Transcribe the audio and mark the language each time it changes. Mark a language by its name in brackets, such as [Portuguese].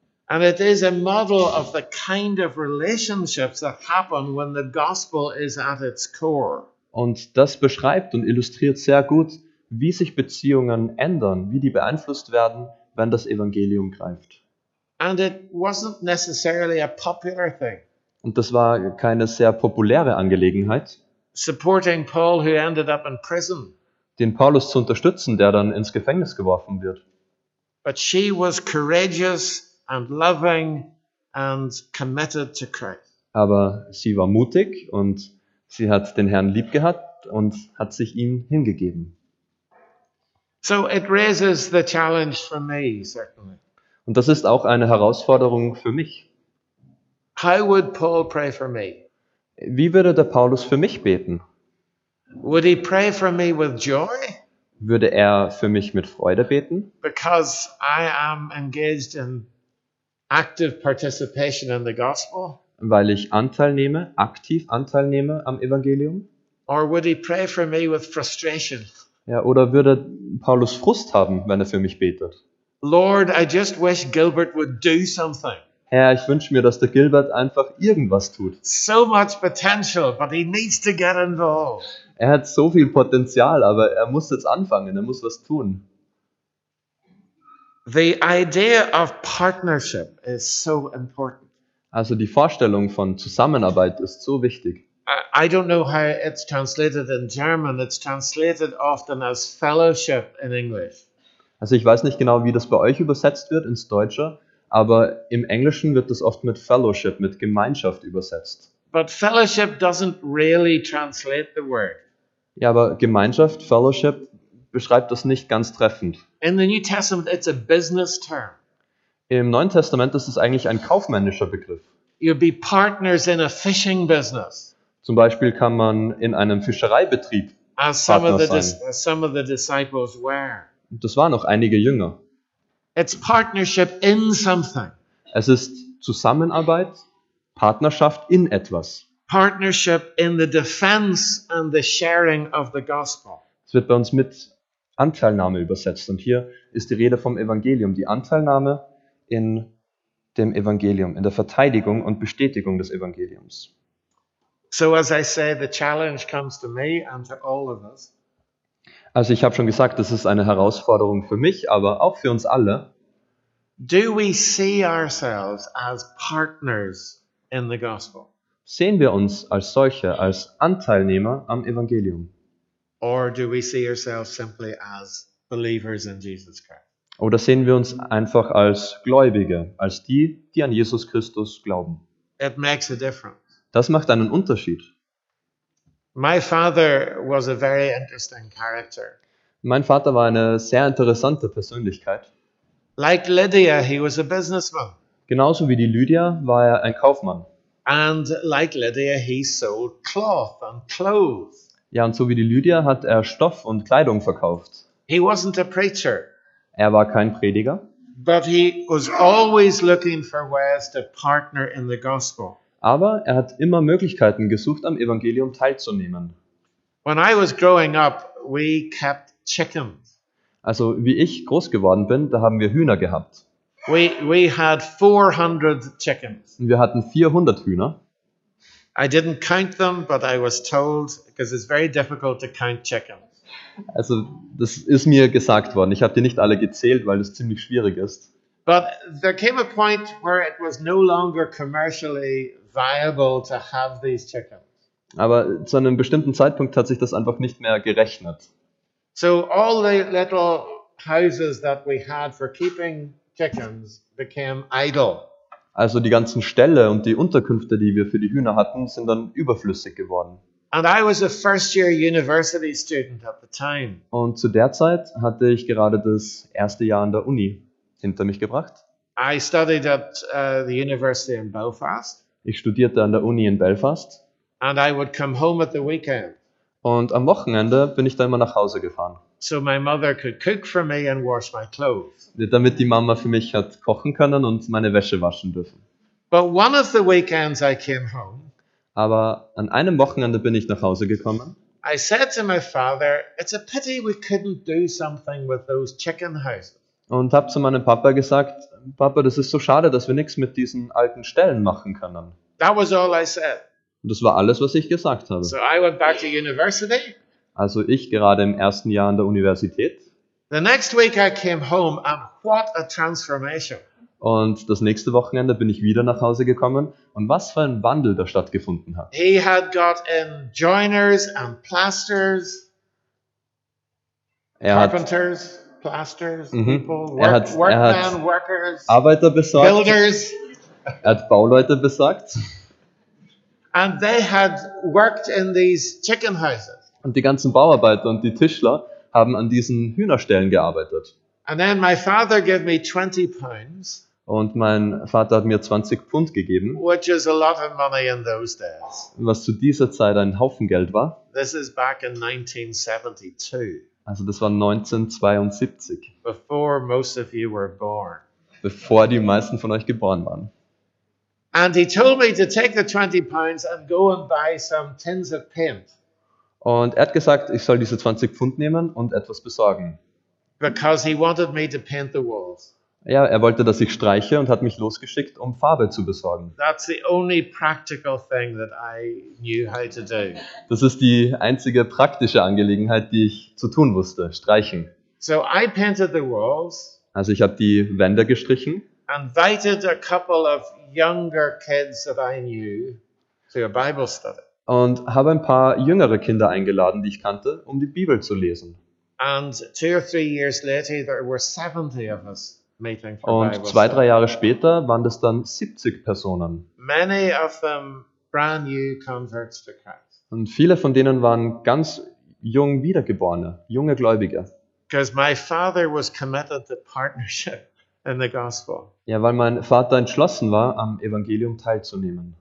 [English] And it is a model of the kind of relationships that happen when the gospel is at its core. [German] Und das beschreibt und illustriert sehr gut, wie sich Beziehungen ändern, wie die beeinflusst werden, wenn das Evangelium greift. [English] And it wasn't necessarily a popular thing. [German] Und das war keine sehr populäre Angelegenheit. [English] Supporting Paul, who ended up in prison. [German] Den Paulus zu unterstützen, der dann ins Gefängnis geworfen wird. [English] But she was courageous and loving and committed to Christ. [German] aber sie war mutig und sie hat den Herrn lieb gehabt und hat sich ihm hingegeben. [English] So it raises the challenge for me, certainly. [German] Und das ist auch eine Herausforderung für mich. [English] How would Paul pray for me? [German] Wie würde der Paulus für mich beten? [English] Would he pray for me with joy? [German] Würde er für mich mit Freude beten? [English] Because I am engaged in active participation in the gospel. [German] Weil ich aktiv Anteil nehme am Evangelium? [English] Or would he pray for me with frustration? [German] Ja, oder würde Paulus Frust haben, wenn er für mich betet? [English] Lord, I just wish Gilbert would do something. [German] Herr, ich wünsche mir, dass der Gilbert einfach irgendwas tut. [English] So much potential, but he needs to get involved. [German] Er hat so viel Potenzial, aber er muss jetzt anfangen, er muss was tun. [English] The idea of partnership is so important. [German] Also die Vorstellung von Zusammenarbeit ist so wichtig. [English] I don't know how it's translated in German. It's translated often as fellowship in English. [German] Also ich weiß nicht genau, wie das bei euch übersetzt wird ins Deutsche, aber im Englischen wird das oft mit fellowship, mit Gemeinschaft übersetzt. [English] But fellowship doesn't really translate the word. [German] Ja, aber Gemeinschaft, fellowship beschreibt das nicht ganz treffend. [English] In the New Testament it's a business term. [German] Im Neuen Testament ist es eigentlich ein kaufmännischer Begriff. [English] You'd be partners in a fishing business. [German] Zum Beispiel kann man in einem Fischereibetrieb Partner sein. Und das waren auch einige Jünger. [English] It's partnership in something. [German] Es ist Zusammenarbeit, Partnerschaft in etwas. [English] Partnership in the defense and the sharing of the gospel. [German] Es wird bei uns mit Anteilnahme übersetzt. Und hier ist die Rede vom Evangelium, die Anteilnahme in dem Evangelium, in der Verteidigung und Bestätigung des Evangeliums. [English] So as I say, the challenge comes to me and to all of us. [German] Also ich habe schon gesagt, das ist eine Herausforderung für mich, aber auch für uns alle. [English] Do we see ourselves as partners in the gospel? [German] Sehen wir uns als solche, als Anteilnehmer am Evangelium? [English] Or do we see ourselves simply as believers in Jesus Christ? [German] Oder sehen wir uns einfach als Gläubige, als die, die an Jesus Christus glauben? [English] It makes a difference. [German] Das macht einen Unterschied. [English] My father was a very interesting character. [German] Mein Vater war eine sehr interessante Persönlichkeit. [English] Like Lydia, he was a businessman. [German] Genauso wie die Lydia war er ein Kaufmann. [English] And like Lydia, he sold cloth and clothes. [German] Ja, und so wie die Lydia hat er Stoff und Kleidung verkauft. [English] He wasn't a preacher. [German] Er war kein Prediger. [English] But he was always looking for ways to partner in the gospel. [German] Aber er hat immer Möglichkeiten gesucht, am Evangelium teilzunehmen. [English] When I was growing up, we kept chickens. [German] Also wie ich groß geworden bin, da haben wir Hühner gehabt. [English] We had 400 chickens. [German] Wir hatten 400 Hühner. [English] I didn't count them, but I was told, because it's very difficult to count chickens. [German] Also das ist mir gesagt worden. Ich habe die nicht alle gezählt, weil es ziemlich schwierig ist. [English] But there came a point where it was no longer commercially viable to have these chickens. [German] Aber zu einem bestimmten Zeitpunkt hat sich das einfach nicht mehr gerechnet. [English] So all the little houses that we had for keeping chickens became idle. [German] Also die ganzen Ställe und die Unterkünfte, die wir für die Hühner hatten, sind dann überflüssig geworden. [English] And I was a first year university student at the time. [German] Und zu der Zeit hatte ich gerade das erste Jahr an der Uni hinter mich gebracht. [English] I studied at the university in Belfast. [German] Ich studierte an der Uni in Belfast. [English] And I would come home at the weekend. [German] Und am Wochenende bin ich dann immer nach Hause gefahren. [English] So my mother could cook for me and wash my clothes. [German] Damit die Mama für mich hat kochen können und meine Wäsche waschen dürfen. [English] But one of the weekends I came home. [German] Aber an einem Wochenende bin ich nach Hause gekommen. [English] I said to my father, it's a pity we couldn't do something with those chicken houses. [German] Und habe zu meinem Papa gesagt, Papa, das ist so schade, dass wir nichts mit diesen alten Ställen machen können. [English] That was all I said. [German] Und das war alles, was ich gesagt habe. [English] So I went back to university. [German] Also ich gerade im ersten Jahr an der Universität. [English] The next week I came home and what a transformation. [German] Und das nächste Wochenende bin ich wieder nach Hause gekommen und was für ein Wandel da stattgefunden hat. [English] He had gotten joiners and plasters. Carpenters. Plasters, people, workers, [German] Arbeiter besorgt, [English] builders. [German] Er hat Bauleute besorgt. [English] And they had worked in these chicken houses. [German] Und die ganzen Bauarbeiter und die Tischler haben an diesen Hühnerställen gearbeitet. [English] And then my father gave me 20 pounds. [German] Und mein Vater hat mir 20 Pfund gegeben. [English] Which is a lot of money in those days. [German] Was zu dieser Zeit ein Haufen Geld war. [English] This is back in 1972. [German] Also das war 1972. [English] Before most of you were born. [German] Bevor die meisten von euch geboren waren. [English] And he told me to take the 20 pounds and go and buy some tins of paint. [German] Und er hat gesagt, ich soll diese 20 Pfund nehmen und etwas besorgen. [English] Because he wanted me to paint the walls. [German] Ja, er wollte, dass ich streiche und hat mich losgeschickt, um Farbe zu besorgen. [English] That's the only practical thing that I knew how to do. [German] Das ist die einzige praktische Angelegenheit, die ich zu tun wusste, streichen. [English] So I painted the walls. [German] Also ich habe die Wände gestrichen. [English] Invited a couple of younger kids that I knew to a Bible study. [German] Und habe ein paar jüngere Kinder eingeladen, die ich kannte, um die Bibel zu lesen. [English] And two or three years later, there were 70 of us meeting for [German] Und [English] Bible [German] zwei, drei Jahre später waren das dann 70 Personen. [English] Many of them brand new converts to Christ. [German] Und viele von denen waren ganz jung Wiedergeborene, junge Gläubige. [English] Because my father was committed to partnership. In the gospel. [German] Ja, weil mein Vater entschlossen war, am Evangelium teilzunehmen.